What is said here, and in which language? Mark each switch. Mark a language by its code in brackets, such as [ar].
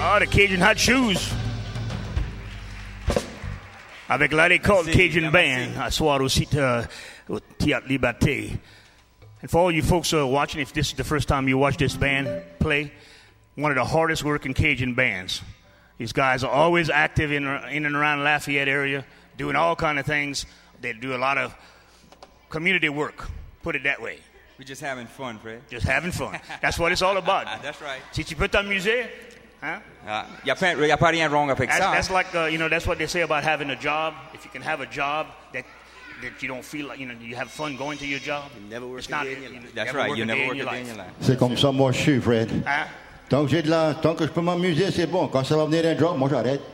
[fr] Cajun Hot Shoes avec la récolte Cajun Band à soir aussi au Théâtre Liberté. [en] And for all you folks watching, if this is the first time you watch this band play, one of the hardest working Cajun bands. These guys are always active in and around Lafayette area, doing all kind of things. They do a lot of community work, put it that way. We're just having fun, Fred. Just having fun. That's what it's all about. That's right. [fr] Si tu peux t'amuser. Huh? Y a pas rien wrong avec ça. [en] That's like you know, that's what they say about having a job. If you can have a job that you don't feel like, you know, you have fun going to your job. You never work again. That's right. You never work again in your life. [fr] C'est comme ça moi je suis, Fred. Tant que j'ai de là, tant que je peux m'amuser, c'est bon. Quand ça va venir un job, moi j'arrête.